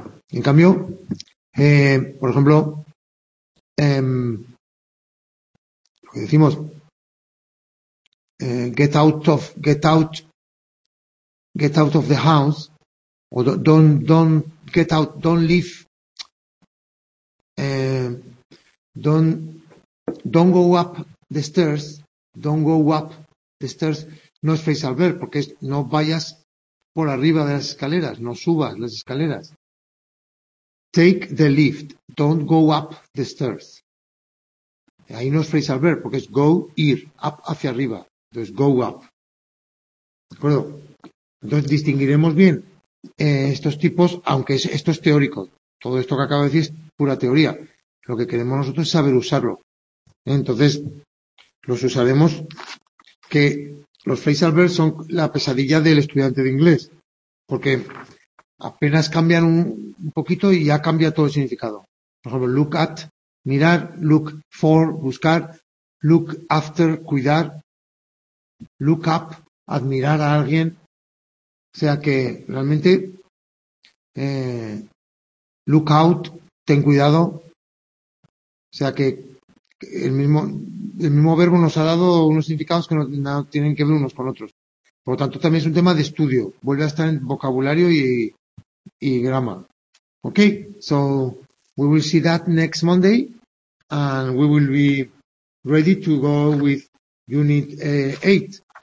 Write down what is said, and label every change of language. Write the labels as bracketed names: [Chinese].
[Spanish] En cambio, por ejemplo, lo que decimos, [English] get out of the house, [Spanish] o [English] don't go up the stairs. [Spanish] No es phrasal verb, porque es no vayas por arriba de las escaleras, no subas las escaleras. [English] Take the lift, don't go up the stairs. [Spanish] Ahí no es phrase al verbo, porque es go, ir, up, hacia arriba. Entonces, [English] go up. [Spanish] ¿De acuerdo? Entonces, distinguiremos bien estos tipos, aunque esto es teórico. Todo esto que acabo de decir es pura teoría. Lo que queremos nosotros es saber usarlo. Entonces, los usaremos que los phrase al verbo son la pesadilla del estudiante de inglés. Porque apenas cambian un poquito y ya cambia todo el significado. Por ejemplo, [English] look at, [Spanish] mirar, [English] look for, [Spanish] buscar, [English] look after, [Spanish] cuidar, [English] look up, [Spanish] admirar a alguien. O sea que realmente, [English] look out, [Spanish] ten cuidado. O sea que el mismo verbo nos ha dado unos significados que no tienen que ver unos con otros. Por lo tanto, también es un tema de estudio. Vuelve a estar en vocabulario y grama. [English] Okay, so we will see that next Monday and we will be ready to go with unit 8.